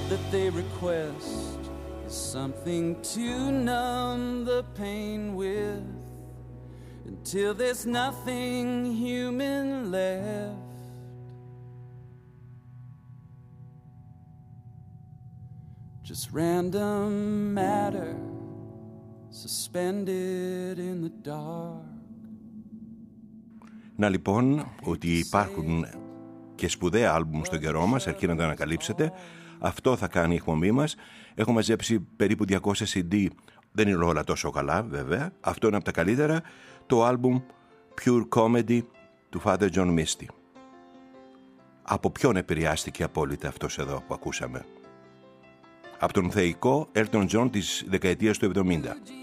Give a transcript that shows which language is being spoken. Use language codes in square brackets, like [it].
[en] they request is something to numb the pain with, until there's nothing human left. Just random matter suspended in the dark. [el] Να λοιπόν ότι υπάρχουν και σπουδαία άλμπουμ στον καιρό μας, αρκεί να τα ανακαλύψετε. Αυτό θα κάνει η εκπομπή μας. Έχω μαζέψει περίπου 200 CD. Δεν είναι όλα τόσο καλά, βέβαια. Αυτό είναι από τα καλύτερα. Το άλμπουμ Pure Comedy του Father John Misty. Από ποιον επηρεάστηκε απόλυτα αυτός εδώ που ακούσαμε? Από τον θεϊκό Elton John της δεκαετίας του 70.